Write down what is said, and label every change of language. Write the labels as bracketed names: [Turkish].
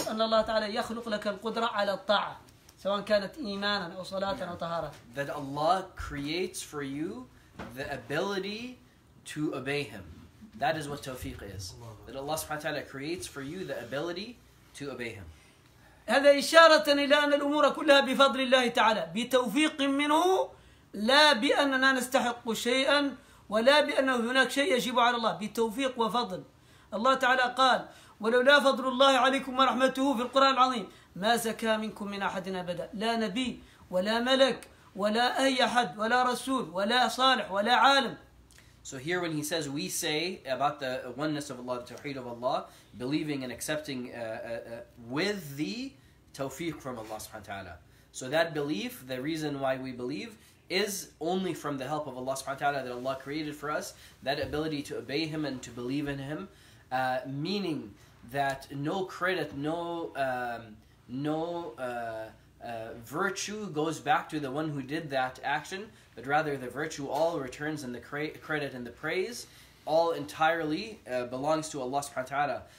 [Arabic] خلق أن الله تعالى يخلق لك القدرة على الطاعة سواء كانت إيمانا أو صلاة أو طهارة. [English] That Allah creates for you the ability to obey Him. That is what tawfiq is. That Allah subhanahu wa ta'ala creates for you the ability to obey Him. [Arabic] هذا إشارة إلى أن الأمور كلها بفضل الله تعالى بتوفيق منه لا بأننا نستحق شيئا ولا بأنه هناك شيء يجب على الله بتوفيق وفضل الله تعالى قال ولولا فضل الله عليكم ورحمته في القرآن العظيم ما زكى منكم من أحد أبدا لا نبي ولا ملك ولا أي أحد ولا رسول ولا صالح ولا عالم. [English] So here when he says we say about the oneness of Allah, the tawheed of Allah, believing and accepting with the tawfiq from Allah subhanahu wa ta'ala. So that belief, the reason why we believe, is only from the help of Allah subhanahu wa ta'ala that Allah created for us, that ability to obey Him and to believe in Him, meaning that no credit, no virtue goes back to the one who did that action, but rather the virtue all returns and the credit and the praise all entirely belongs to Allah subhanahu wa ta'ala.